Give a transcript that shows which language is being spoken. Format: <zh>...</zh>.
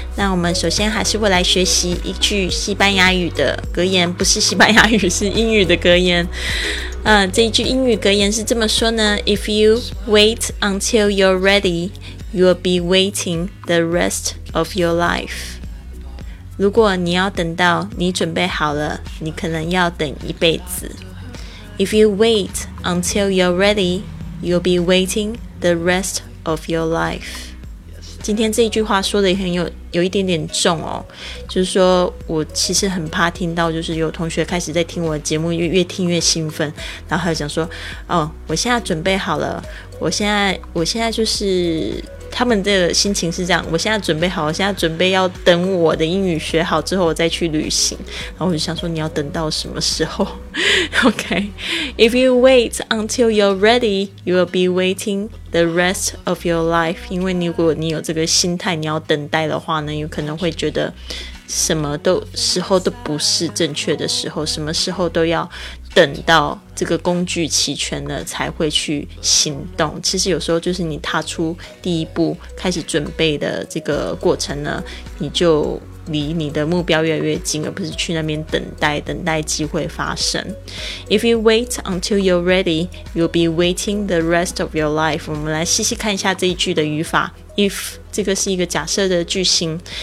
<zh>那我们首先还是会来学习一句西班牙语的格言，不是西班牙语，是英语的格言。这一句英语格言是这么说呢</zh> <en>：If you wait until you're ready, you'll be waiting the rest of your life。</en> <zh>如果你要等到你准备好了，你可能要等一辈子。</zh> <en>If you wait until you're ready, you'll be waiting。 The rest of your life。</en> <zh>今天这一句话说的很有一点点重哦，就是说我其实很怕听到，就是有同学开始在听我的节目，越听越兴奋，然后还有讲说，哦，我现在准备好了，我现在就是他们的心情是这样，我现在准备好，我现在准备要等我的英语学好之后我再去旅行，然后我就想说你要等到什么时候？</zh> <en>OK， if you wait until you're ready, you will be waiting. The rest of your life，</en> <zh>因为如果你有这个心态，你要等待的话呢，有可能会觉得什么都时候都不是正确的时候，什么时候都要等到这个工具齐全了才会去行动。其实有时候就是你踏出第一步开始准备的这个过程呢，你就离你的目标越来越近，而不是去那边等待，等待机会发生。</zh> <en>If you wait until you're ready, you'll be waiting the rest of your life。</en> <zh>我们来细细看一下这一句的语法。If 这个是一个假设的句型。</zh>